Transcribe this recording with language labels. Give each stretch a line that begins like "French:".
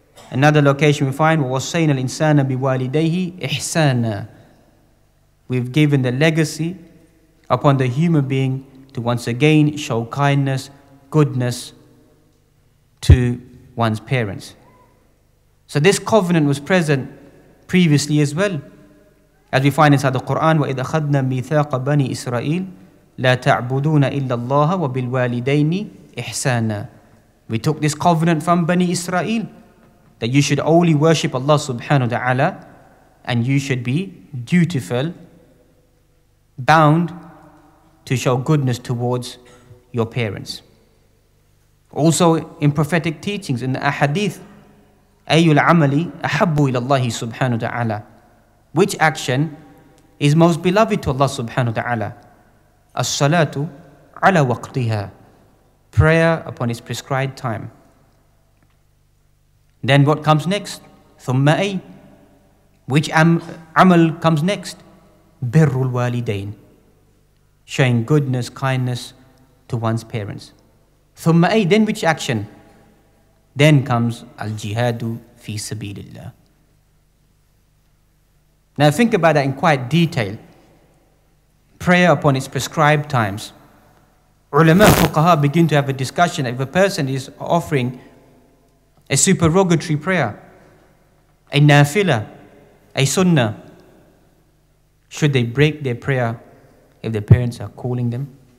English: Another location we find,
Arabic: وَوَصَّيْنَا الْإِنسَانَ بِوَالِدَيْهِ إِحْسَانًا.
English: We've given the legacy upon the human being to once again show kindness, goodness to one's parents. So this covenant was present previously as well. As we find inside the Quran,
Arabic: وَإِذْ أَخَذْنَا مِيثَاقَ بَنِي إِسْرَائِيلَ لَا تَعْبُدُونَ إِلَّا اللَّهَ وَبِالْوَالِدَيْنِ إِحْسَانًا.
English: We took this covenant from Bani Israel that you should only worship Allah subhanahu wa ta'ala and you should be dutiful, bound to show goodness towards your parents. Also in prophetic teachings, in the ahadith,
Arabic: أَيُّ الْعَمَلِ أَحَبُّ إِلَى اللَّهِ سُبْحَانُ وَتَعَالَى.
English: Which action is most beloved to Allah subhanahu wa ta'ala? As-salatu ala waqtiha. Prayer upon its prescribed time. Then what comes next?
Arabic: ثُمَّ أَيْ.
English: Which amal comes next?
Arabic: بِرُّ الْوَالِدَيْنِ.
English: Showing goodness, kindness to one's parents.
Arabic: ثُمَّ أَيْ.
English: Then which action? Then comes
Arabic: الْجِهَادُ فِي سَبِيلِ اللَّهِ.
English: Now think about that in quite detail. Prayer upon its prescribed times. Ulama fuqaha begin to have a discussion if a person is offering a supererogatory prayer, a nafila, a sunnah, should they break their prayer if their parents are calling them?